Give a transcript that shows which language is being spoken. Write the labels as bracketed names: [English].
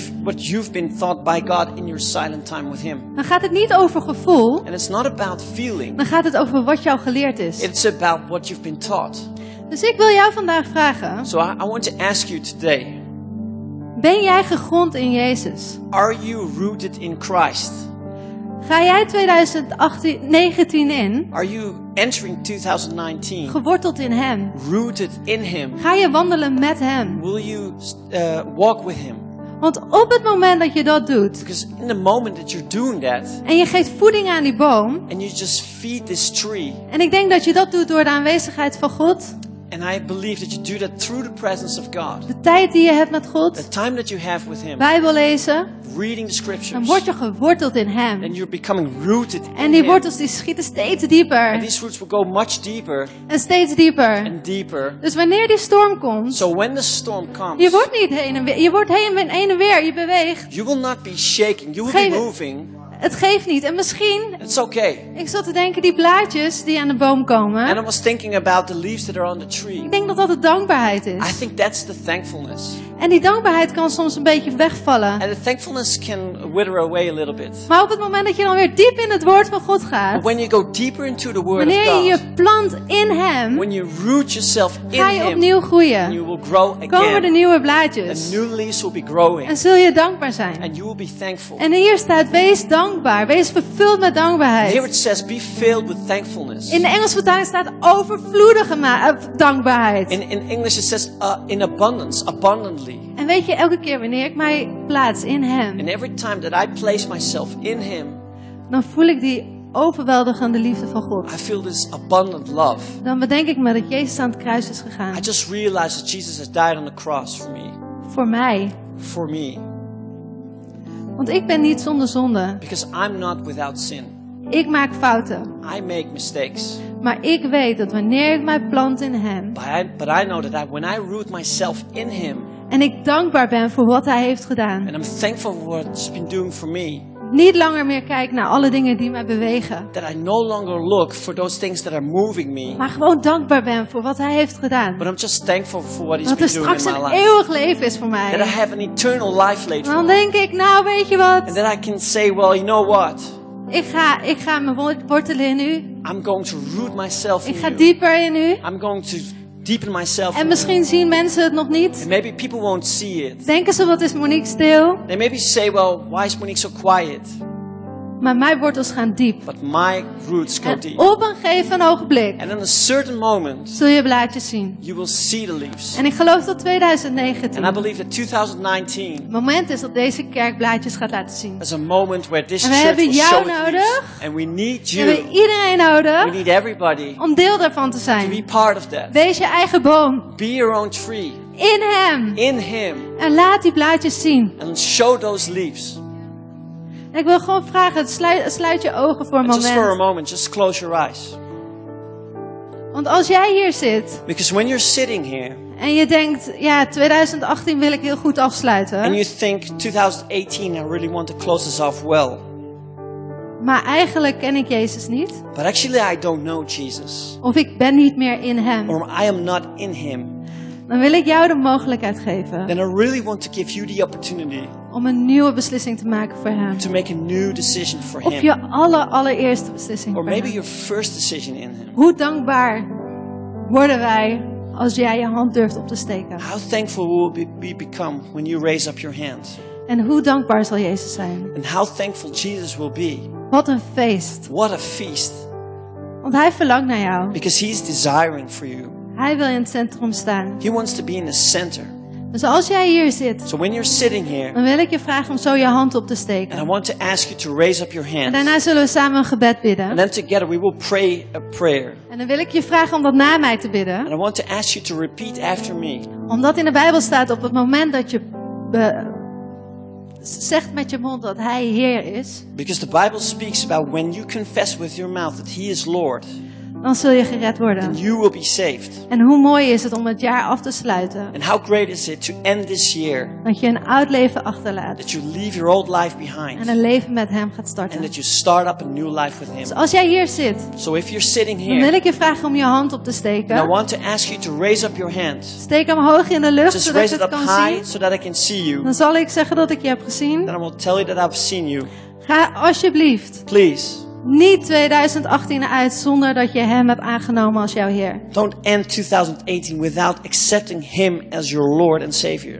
[English] What you've been taught by God in your silent time with Him. [Dutch] Dan gaat het niet over gevoel. [English] And it's not about feeling. [Dutch] Dan gaat het over wat jou geleerd is. [English] It's about what you've been taught. [Dutch] Dus ik wil jou vandaag vragen. [English] So I want to ask you today. [Dutch] Ben jij gegrond in Jezus? [English] Are you rooted in Christ? [Dutch] Ga jij 2019 in? [English] Are you entering 2019? [Dutch] Geworteld in Hem. [English] Rooted in Him. [Dutch] Ga je wandelen met Hem? [English] Will you walk with Him? [Dutch] Want op het moment dat je dat doet, [English] because in the moment that you're doing that, [Dutch] en je geeft voeding aan die boom, [English] and you just feed this tree, [Dutch] en ik denk dat je dat doet door de aanwezigheid van God, [English] and I believe that you do that through the presence of God. [Dutch] De tijd die je hebt met God. [English] The time that you have with Him. [Dutch] Bijbel lezen. [English] Reading the scriptures. [Dutch] Dan word je geworteld in Hem. [English] And you're becoming rooted in Him. [Dutch] En die wortels die schieten steeds dieper. [English] And these roots will go much deeper. [Dutch] En steeds dieper. [English] And deeper. [Dutch] Dus wanneer die storm komt. [English] So when the storm comes. [Dutch] Je wordt niet heen en weer. Je wordt heen en weer. Je beweegt. [English] You will not be shaking. You will be moving. [Dutch] Het geeft niet. En misschien. [English] It's okay. [Dutch] Ik zat te denken die blaadjes die aan de boom komen. [English] And I was thinking about the leaves that are on the tree. [Dutch] Ik denk dat dat de dankbaarheid is. [English] I think that's the thankfulness. [Dutch] En die dankbaarheid kan soms een beetje wegvallen. [English] And the thankfulness can wither away a little bit. [Dutch] Maar op het moment dat je dan weer diep in het woord van God gaat. [English] When you go deeper into the word of God. [Dutch] Wanneer je je plant in Hem. [English] When you root yourself in Him. [Dutch] Ga je opnieuw groeien. [English] And you will grow again. [Dutch] Komen de nieuwe blaadjes. [English] And new leaves will be growing. [Dutch] En zul je dankbaar zijn. [English] And you will be thankful. [Dutch] En hier staat wees dankbaar. Wees vervuld met dankbaarheid. [English] Here it says, be filled with thankfulness. [Dutch] In de Engelse vertaling staat overvloedige dankbaarheid. [English] In English it says in abundance, abundantly. [Dutch] En weet je, elke keer wanneer ik mij plaats in Hem. [English] And every time that I place myself in Him. [Dutch] Dan voel ik die overweldigende liefde van God. [English] I feel this abundant love. [Dutch] Dan bedenk ik me dat Jezus aan het kruis is gegaan. [English] I just realize that Jesus has died on the cross for me. [Dutch] Voor mij. [English] For me. [Dutch] Want ik ben niet zonder zonde. [English] Because I'm not without sin. [Dutch] Ik maak fouten. [English] I make mistakes. [Dutch] Maar ik weet dat wanneer ik mij plant in Hem. [English] But I know that when I root myself in Him. [Dutch] En ik dankbaar ben voor wat Hij heeft gedaan. [English] And I'm thankful for what He's been doing for me. [Dutch] Niet langer meer kijk naar alle dingen die mij bewegen. [English] That I no longer look for those things that are moving me. [Dutch] Maar gewoon dankbaar ben voor wat Hij heeft gedaan. [English] But I'm just thankful for what He's been doing in my life. [Dutch] Dat er straks een eeuwig leven is voor mij. [English] That I have an eternal life later. [Dutch] Dan denk ik, nou weet je wat? [English] And then I can say, well, you know what? [Dutch] Ik ga me wortelen in U. [English] I'm going to root myself in [Dutch] U. Ik ga dieper in U. [English] I'm going to deepen myself. [Dutch] En misschien zien mensen het nog niet. [English] And maybe people won't see it. [Dutch] Denken ze, wat is Monique stil? [English] They maybe say, well, why is Monique so quiet? [Dutch] Maar mijn wortels gaan diep. [English] But my roots go [Dutch] en [English] deep. [Dutch] Op een gegeven ogenblik. [English] And in a certain moment. [Dutch] Zul je blaadjes zien. [English] You will see the leaves. [Dutch] En ik geloof dat 2019. [English] And I believe that 2019. [Dutch] Het moment is dat deze kerk blaadjes gaat laten zien. [English] As a moment where this church will show leaves. [Dutch] En we hebben jou nodig. [English] And we need you. [Dutch] We hebben iedereen nodig. [English] We need everybody. [Dutch] Om deel daarvan te zijn. [English] To be part of that. [Dutch] Wees je eigen boom. [English] Be your own tree. [Dutch] In Hem. [English] In Him. [Dutch] En laat die blaadjes zien. [English] And show those leaves. [Dutch] Ik wil gewoon vragen, sluit je ogen voor een moment. [English] Just for a moment, just close your eyes. [Dutch] Want als jij hier zit. [English] Because when you're sitting here. [Dutch] En je denkt, ja, 2018 wil ik heel goed afsluiten. [English] And you think, 2018, I really want to close this off well. [Dutch] Maar eigenlijk ken ik Jezus niet. [English] But actually, I don't know Jesus. [Dutch] Of ik ben niet meer in Hem. [English] Or I am not in Him. [Dutch] Dan wil ik jou de mogelijkheid geven. [English] Then I really want to give you the opportunity. [Dutch] Om een nieuwe beslissing te maken voor Hem. [English] To make a new decision for Him. [Dutch] Of je allereerste beslissing. [English] Or maybe your first decision in Him. [Dutch] Hoe dankbaar worden wij als jij je hand durft op te steken. [English] How thankful will we become when you raise up your hand. [Dutch] En hoe dankbaar zal Jezus zijn? [English] And how thankful Jesus will be. [Dutch] Wat een feest. [English] What a feast. [Dutch] Want hij verlangt naar jou. [English] Because he's desiring for you. [Dutch] Hij wil in het centrum staan. [English] He wants to be in the center. [Dutch] Dus als jij hier zit, [English] so when you're sitting here, [Dutch] dan wil ik je vragen om zo je hand op te steken. [English] And I want to ask you to raise up your hands. [Dutch] En daarna zullen we samen een gebed bidden. [English] And then together we will pray a prayer. [Dutch] En dan wil ik je vragen om dat na mij te bidden. [English] And I want to ask you to repeat after me. [Dutch] Omdat in de Bijbel staat op het moment dat je zegt met je mond dat hij Heer is. [English] Because the Bible speaks about when you confess with your mouth that he is Lord. [Dutch] Dan zul je gered worden. [English] And you will be saved. [Dutch] En hoe mooi is het om het jaar af te sluiten. [English] And how great is it to end this year. [Dutch] Dat je een oud leven achterlaat. [English] That you leave your old life behind. [Dutch] En een leven met hem gaat starten. [English] And that you start up a new life with him. [Dutch] Dus als jij hier zit. [English] So if you're sitting here. [Dutch] Dan wil ik je vragen om je hand op te steken. [English] And I want to ask you to raise up your hand. [Dutch] Steek hem hoog in de lucht. [English] Just [Dutch] zodat [English] raise it [Dutch] ik het [English] up [Dutch] kan [English] high [Dutch] zien. [English] So that I can see you. [Dutch] Dan zal ik zeggen dat ik je heb gezien. [English] Then I will tell you that I've seen you. [Dutch] Ga alsjeblieft. [English] Please. [Dutch] Niet 2018 uit zonder dat je hem hebt aangenomen als jouw Heer. [English] Don't end 2018 without accepting him as your Lord and Savior.